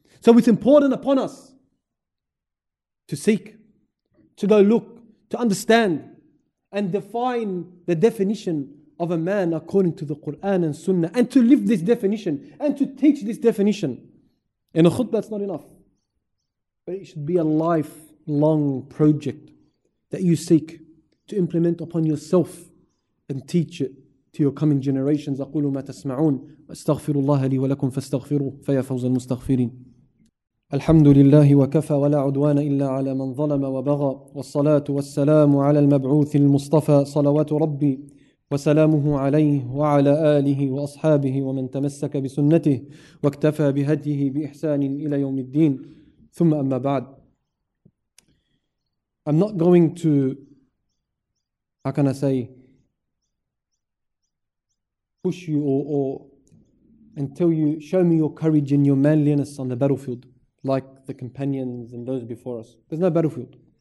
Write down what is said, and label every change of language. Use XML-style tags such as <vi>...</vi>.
<en>So it's important upon us to seek, to go look, to understand and define the definition of a man according to the Quran and Sunnah, and to live this definition and to teach this definition. In a khutbah, that's not enough. But it should be a lifelong project that you seek to implement upon yourself and teach it to your coming generations.</en> <ar>أقول ما تسمعون أستغفر الله لي ولكم فاستغفروه فيا فوز المستغفرين. الحمد لله وكفى ولا عدوان إلا على من ظلم وبغى والصلاة والسلام على المبعوث المصطفى صلوات ربي وسلامه عليه وعلى آله وأصحابه ومن تمسك بسنته واكتفى بهديه بإحسان إلى يوم الدين ثم أما بعد.</ar> <en>I'm not going to, how can I say, push you or and tell you, show me your courage and your manliness on the battlefield like the companions and those before us. There's no battlefield.</en>